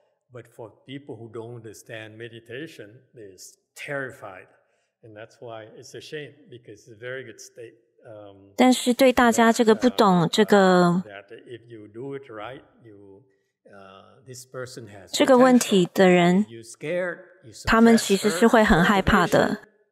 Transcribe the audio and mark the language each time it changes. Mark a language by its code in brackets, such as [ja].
[en] But for people who don't understand meditation, they're terrified. And that's why it's a shame because it's a very good state. [zh] 但是对大家这个不懂这个 [en] that if you do it right, you, this person has [zh] 这个问题的人 [en] you're scared, you suppress [zh] 他们其实是会很害怕的。